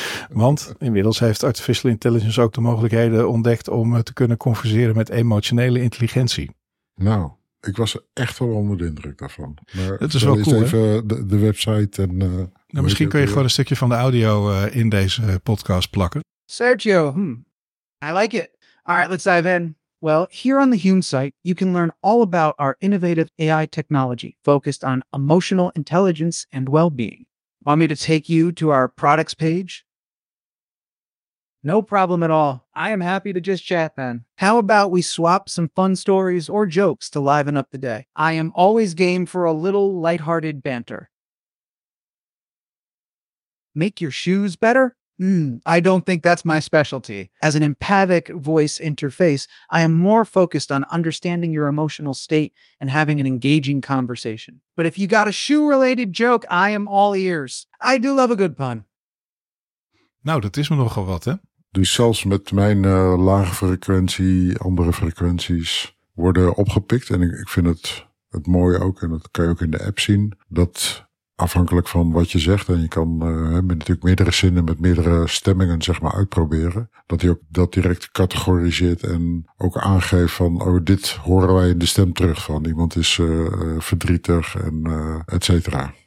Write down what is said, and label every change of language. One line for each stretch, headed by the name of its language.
Dutch: Want inmiddels heeft artificial intelligence ook de mogelijkheden ontdekt om te kunnen converseren met emotionele intelligentie. Nou, ik was echt wel onder de indruk daarvan. Maar het is wel cool, even de website en... Nou, misschien kun je gewoon een stukje van de audio in deze podcast plakken.
English: Sergio, I like it. All right, let's dive in. Well, here on the Hume site, you can learn all about our innovative AI technology focused on emotional intelligence and well-being. Want me to take you to our products page? No problem at all. I am happy to just chat then. How about we swap some fun stories or jokes to liven up the day? I am always game for a little lighthearted banter. Make your shoes better? I don't think that's my specialty. As an empathic voice interface, I am more focused on understanding your emotional state and having an engaging conversation. But if you got a shoe-related joke, I am all ears. I do love a good pun.
Dutch: Nou, dat is me nogal wat, hè? Dus zelfs met mijn lage frequentie, andere frequenties worden opgepikt. En ik vind het mooie ook, en dat kan je ook in de app zien, dat... Afhankelijk van wat je zegt, en je kan met natuurlijk meerdere zinnen met meerdere stemmingen zeg maar uitproberen, dat hij ook dat direct categoriseert en ook aangeeft van, oh, dit horen wij in de stem terug van, iemand is verdrietig en et cetera.